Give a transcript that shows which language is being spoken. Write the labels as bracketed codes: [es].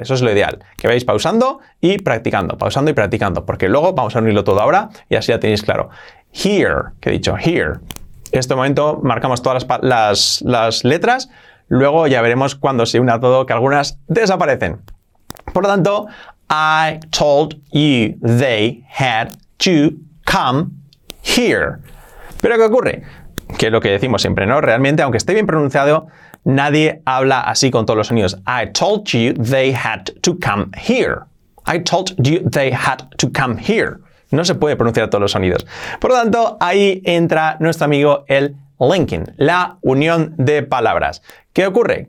[es] Eso es lo ideal, que vayáis pausando y practicando, porque luego vamos a unirlo todo ahora y así ya tenéis claro. Here, que he dicho, here. En este momento marcamos todas las letras, luego ya veremos cuando se una todo que algunas desaparecen. Por lo tanto, [en] I told you they had to come here. [es] ¿Pero qué ocurre? Que es lo que decimos siempre, ¿no? Realmente, aunque esté bien pronunciado, nadie habla así con todos los sonidos. [en] I told you they had to come here. I told you they had to come here. [es] No se puede pronunciar todos los sonidos. Por lo tanto, ahí entra nuestro amigo el linking, la unión de palabras. ¿Qué ocurre?